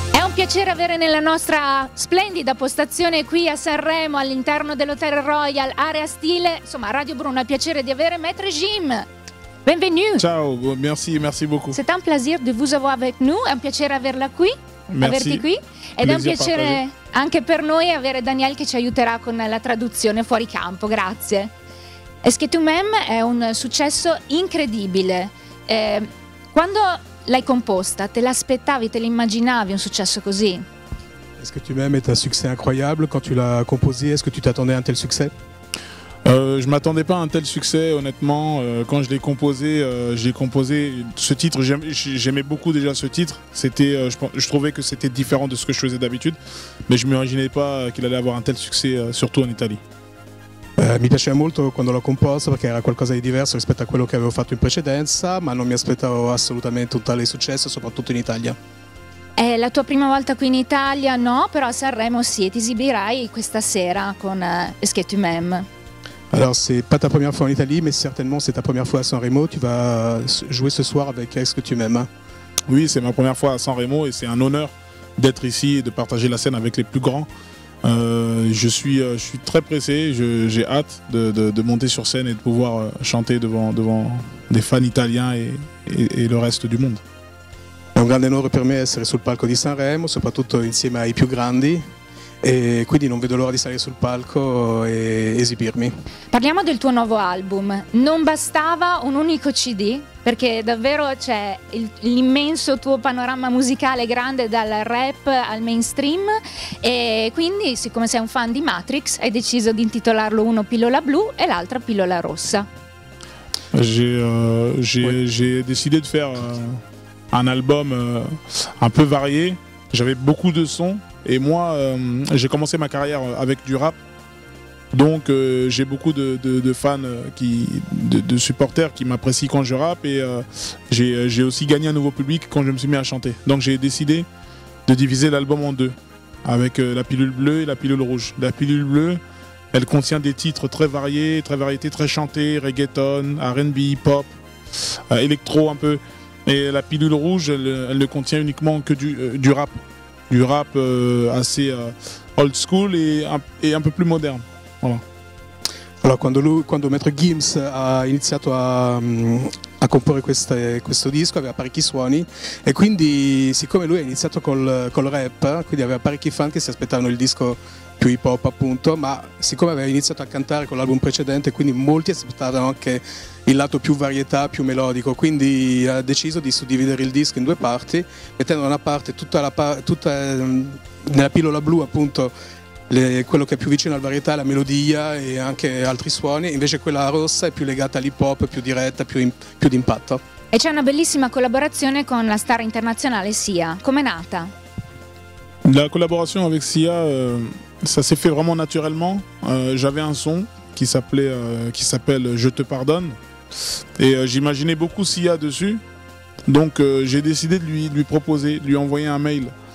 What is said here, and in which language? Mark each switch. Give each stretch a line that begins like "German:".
Italian: È un piacere avere nella nostra splendida postazione qui a Sanremo, all'interno dell'Hotel Royal, Area Stile, insomma Radio Bruno, è un piacere di avere Maître Jim. Benvenuto.
French: Ciao, merci, merci beaucoup. C'est un plaisir de vous avoir avec nous,
Italian: è un piacere averla qui,
French: merci.
Italian: Averti qui. Ed è un piacere anche per noi avere Daniel che ci aiuterà con la traduzione fuori campo, grazie. Est-ce que tu m'aimes è un successo incredibile. Quando l'hai composta, te l'aspettavi, te l'immaginavi un successo così?
French: Est-ce que tu m'aimes est un succès incroyable quand tu l'as composé, est-ce que tu t'attendais à un tel succès? Je ne m'attendais pas à un tel succès, honnêtement. Quand je l'ai composé ce titre, j'aimais beaucoup déjà ce titre. C'était, je trouvais que c'était différent de ce que je faisais d'habitude, mais je ne m'imaginais pas qu'il allait avoir un tel succès, surtout en Italie.
Italian: Mi piaceva molto quando l'ho composto perché era qualcosa di diverso rispetto a quello che avevo fatto in precedenza, ma non mi aspettavo assolutamente un tale successo, soprattutto in Italia. È la tua prima volta qui in Italia? No, però a Sanremo sì, ti esibirai questa sera con Est-ce que tu m'aimes?
French: Alors, c'est pas ta première fois en Italie, mais certainement c'est ta première fois à Sanremo. Tu vas jouer ce soir avec Est-ce que tu m'aimes? Oui, c'est ma première fois à Sanremo et c'est un honneur d'être ici et de partager la scène avec les plus grands. Je suis très pressé, j'ai hâte de monter sur scène et de pouvoir chanter devant des fans italiens et le reste du monde.
Italian: È un grande onore per me essere sul palco di Sanremo, soprattutto insieme ai più grandi. E quindi non vedo l'ora di salire sul palco e esibirmi. Parliamo del tuo nuovo album. Non bastava un unico CD, perché davvero c'è l'immenso tuo panorama musicale grande, dal rap al mainstream. E quindi, siccome sei un fan di Matrix, hai deciso di intitolarlo uno Pillola Blu e l'altra Pillola Rossa.
French: J'ai décidé de faire un album un peu varié. J'avais beaucoup de sons. Et moi, j'ai commencé ma carrière avec du rap, donc j'ai beaucoup de fans, de supporters qui m'apprécient quand je rappe, et j'ai aussi gagné un nouveau public quand je me suis mis à chanter. Donc j'ai décidé de diviser l'album en deux, avec la pilule bleue et la pilule rouge. La pilule bleue, elle contient des titres très variés, très variétés, très chantés, reggaeton, R&B, pop, électro un peu. Et la pilule rouge, elle ne contient uniquement que du rap. Du rap assez old school et un peu plus moderne. Voilà.
Italian: Alors, quand Maître Gims a iniziato a comporre questo disco, aveva parecchi suoni, e quindi, siccome lui ha iniziato col rap, quindi aveva parecchi fan che si aspettavano il disco più hip hop, appunto, ma siccome aveva iniziato a cantare con l'album precedente, quindi molti aspettavano anche il lato più varietà, più melodico, quindi ha deciso di suddividere il disco in due parti, mettendo da una parte tutta nella pillola blu, appunto, quello che è più vicino al varietà, la melodia e anche altri suoni, invece quella rossa è più legata all'hip hop, più diretta, più d'impatto. E c'è una bellissima collaborazione con la star internazionale Sia. Com'è nata? La collaborazione con Sia,
French: ça s'est fait vraiment naturellement. J'avais un son qui s'appelle Je te pardonne, et j'imaginais beaucoup Sia dessus, donc j'ai décidé de lui proposer, de lui envoyer un mail.